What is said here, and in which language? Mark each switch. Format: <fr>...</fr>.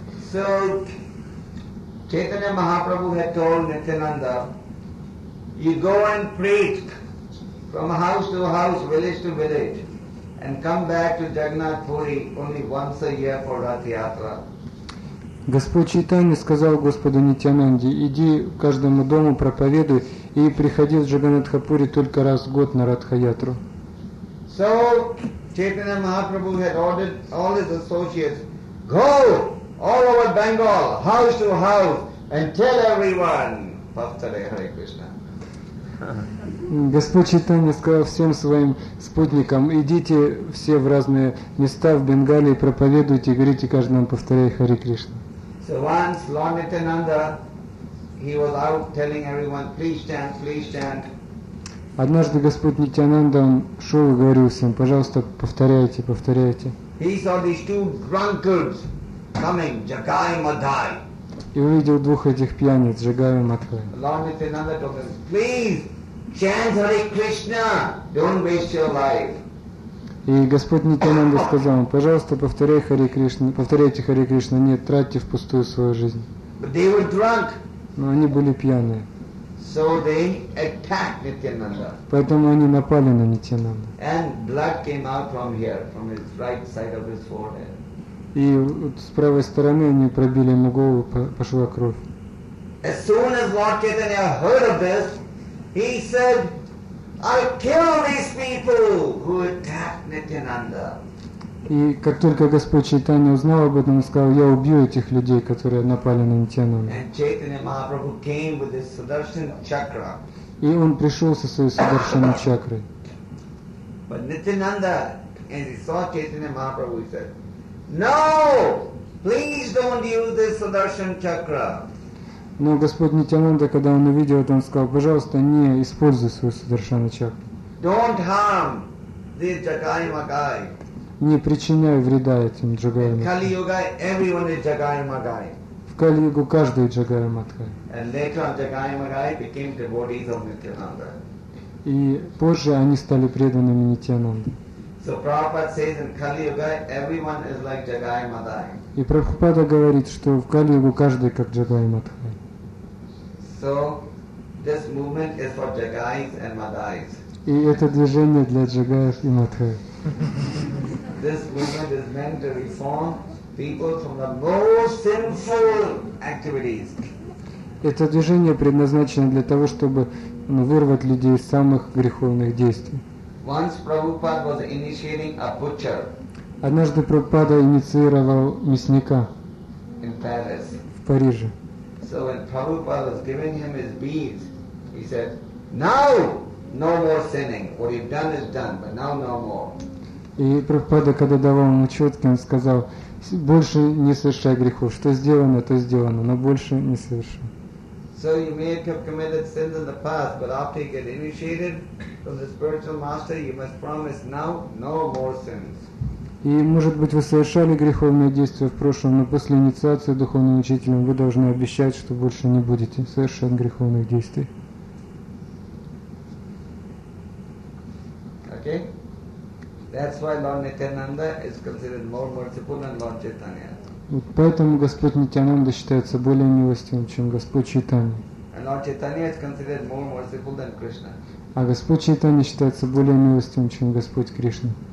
<en>So Chaitanya Mahaprabhu had told Nityananda, you go and preach from house to house, village to village, and come back to Jagannath Puri only once a year for Rath Yatra.</en> <ru>Господь Чайтанья сказал Господу Нитянанде, иди каждому дому проповедуй и приходи в Джаганатхапури только раз в год на Радха-ятру.</ru> <en>So, Chaitanya Mahaprabhu had ordered all his associates, go all over Bengal, house to house, and tell everyone, Bhaktare Hare Krishna.</en> <ru>Господь Чайтанья сказал всем своим спутникам, идите все в разные места в Бенгалии, проповедуйте, говорите каждому, повторяй Хари Кришна.</ru> <en>So once Lord Nityananda, he was out telling everyone, please chant, please chant.</en> <ru>Однажды Господь Нитянанда шел и говорил всем, пожалуйста, повторяйте, повторяйте.</ru> <en>He saw these two drunkards coming, Jagai Madhai.</en> <ru>И увидел двух этих пьяниц, Jagai Madhai.</ru> <en>Lord Nityananda told them, please chant Hare Krishna, don't waste your life.</en> <ru>И Господь Нитянанда сказал им, пожалуйста, повторяй Хари Кришна, повторяйте Хари Кришна, не тратьте впустую свою жизнь.</ru> <en>But they were drunk.</en> <ru>Но они были пьяные.</ru> <en>So they attacked Nityananda.</en> <ru>Поэтому они напали на Нитянанда.</ru> <en>And blood came out from here, from his right side of his forehead.</en> <ru>И вот с правой стороны они пробили ему голову, пошла кровь.</ru> <en>As soon as Lord Chaitanya heard of this, he said, I kill these people who attack Nityananda.</en> <ru>И как только Господь Чайтанья узнал об этом, он сказал, я убью этих людей, которые напали на Нитянанда.</ru> <en>And Chaitanya Mahaprabhu came with his Sudarshan Chakra.</en> <ru>И он пришел со своей Sudarshan Chakra.</ru> <en>But Nityananda, as he saw Chaitanya Mahaprabhu, he said, no, please don't use this Sudarshan Chakra.</en> <ru>Но Господь Нитянанда, когда он увидел это, он сказал, пожалуйста, не используй свою Sudarshan Chakra.</ru> <en>Don't harm the Jagai Magai.</en> <ru>Не причиняй вреда этим Jagai</ru> <en>Magai. Kali-yuga, everyone is Jagai Magai.</en> <ru>В Кали-югу каждый Jagai Magai.</ru> <en>And later on, Jagai Magai became devotees of Nityananda.</en> <ru>И позже они стали преданными Нитянанда.</ru> <en>So Prabhupada says in Kali-yuga, everyone is like Jagai Magai.</en> <ru>И Прабхупада говорит, что в Кали-югу каждый как Jagai Madhai.</ru> <en>So, this movement is for Jagais and Madhais.</en> <ru>И это движение для джигаев и матхаев.</ru> <en>This movement is meant to reform people from the most sinful activities.</en> <ru>Это движение предназначено для того, чтобы вырвать людей из самых греховных действий.</ru> <en>Once Prabhupada was initiating a butcher.</en> <ru>Однажды Прабхупада инициировал мясника</ru> <en>in Paris.</en> <ru>В Париже.</ru> <en>So when Prabhupada was giving him his beads, he said, "Now, no more sinning. What you've done is done, but now no more."</en> <ru>И Прабхупада, когда давал ему четки, он сказал: "Больше не совершай грехов. Что сделано, то сделано, но больше не совершай."</ru> <en>So you may have committed sins in the past, but after you get initiated from the spiritual master, you must promise now no more sins.</en> <ru>И может быть вы совершали греховные действия в прошлом, но после инициации духовным учителем вы должны обещать, что больше не будете совершать греховных действий.</ru> <en>Okay. That's why Lord Nityananda is considered more merciful than Lord Chaitanya.</en> <ru>Вот поэтому Господь Нитянанда считается более милостивым, чем Господь Чайтанья. А Господь Чайтанья считается более милостивым, чем Господь Кришна.</ru>